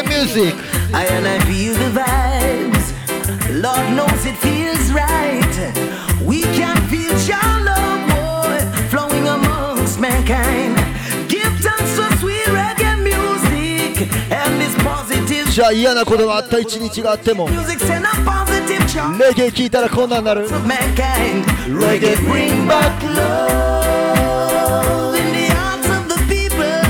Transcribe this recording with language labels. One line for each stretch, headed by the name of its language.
English: I and I feel the vibes. Lord knows it feels right. We can feel your love more flowing amongst mankind. Give thanks for sweet reggae music and this positive.
Japanese: じゃあ嫌なことがあった一日があっても、レゲエ聞いたらこんなになる。
English: Reggae bring back love in the hearts of the people.